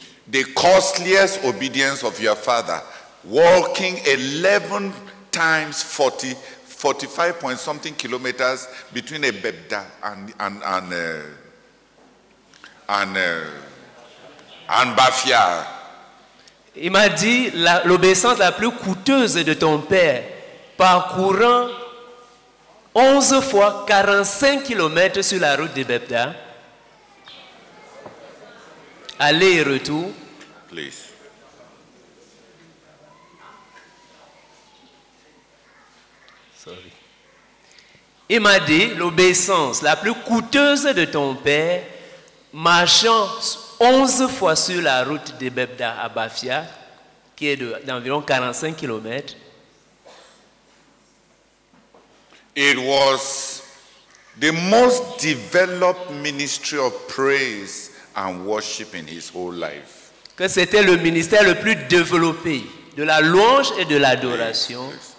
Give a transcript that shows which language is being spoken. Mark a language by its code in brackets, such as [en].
[en] The costliest obedience of your father, walking 11 times 40, 45 point something kilometers between Ebebda and Bafia. [fr] Il m'a dit l'obéissance la plus coûteuse de ton père, parcourant 11 fois 45 kilomètres sur la route de Ebebda, aller et retour. [en] Please. Sorry. [fr] Il m'a dit l'obéissance la plus coûteuse de ton père, marchant 11 fois sur la route de Bebda à Bafia, qui est d'environ 45 kilomètres. [en] It was the most developed ministry of praise and worship in his whole life. [fr] Que c'était le ministère le plus développé de la louange et de l'adoration.